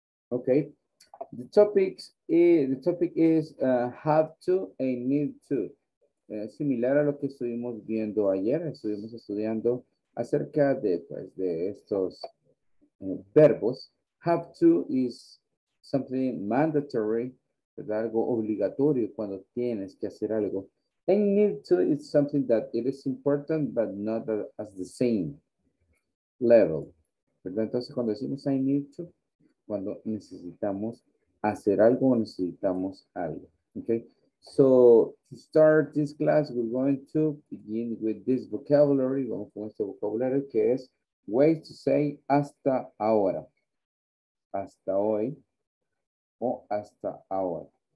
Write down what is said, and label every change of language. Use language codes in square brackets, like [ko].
[en] Okay. The topic is have to and need to. [es] Similar a lo que estuvimos viendo ayer, estuvimos estudiando acerca de, pues, de estos verbos. [en] Have to is something mandatory, ¿verdad? [es] Algo obligatorio cuando tienes que hacer algo. [en] And need to is something that it is important, but not as the same level, ¿verdad? [es] Entonces, cuando decimos [en] I need to, [es] cuando necesitamos hacer algo, necesitamos algo. Okay. [en] So to start this class, we're going to begin with this vocabulary. [es] Vamos con este vocabulario que es [en] ways to say [es] hasta ahora. Hasta hoy o hasta ahora.